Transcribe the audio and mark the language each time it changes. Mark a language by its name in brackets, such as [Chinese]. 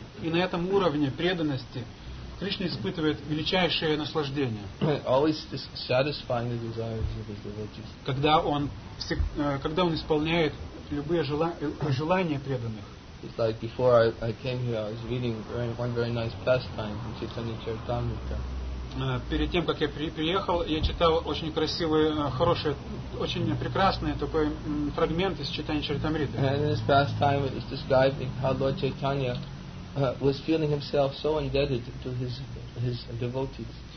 [Russian] И на этом уровне преданности Кришна испытывает величайшее наслаждение. [English] Always satisfying the desires of his devotees. [Russian] Когда он исполняет любые желания преданных. [English] It's like before I came here, I was reading one very nice pastime from Chaitanya Charitamrita. [Russian] Перед тем, как я приехал, я читал очень красивый, хороший, очень прекрасный такой фрагмент из Чайтаньи Чаритамриты. [English] And in this pastime, it is describing how Lord Chaitanya was feeling himself so indebted to his devotees.